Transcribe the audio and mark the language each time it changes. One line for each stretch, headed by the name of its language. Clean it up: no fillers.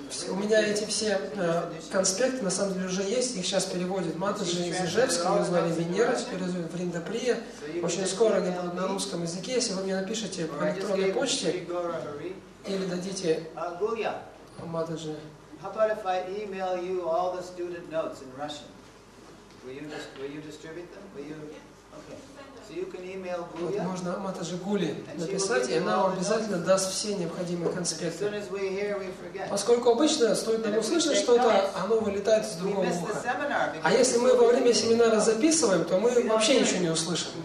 Russian: У меня эти все конспекты, на самом деле, уже есть. Их сейчас переводят. Матаджи из Ижевска, мы звали Венера, теперь называют Вриндаприя. Очень скоро они будут на русском языке. Если вы мне напишете по электронной почте, или дадите Матаджи.
English: How about if I email you all the student notes in Russian? Will you distribute them? Okay. So you can email Gulya.
Russian: Вот можно Матаджи Гули написать, и она вам обязательно даст все необходимые конспекты. Поскольку обычно стоит нам услышать что-то, оно вылетает с другого уха. А если мы во время семинара записываем, то мы вообще ничего не услышим.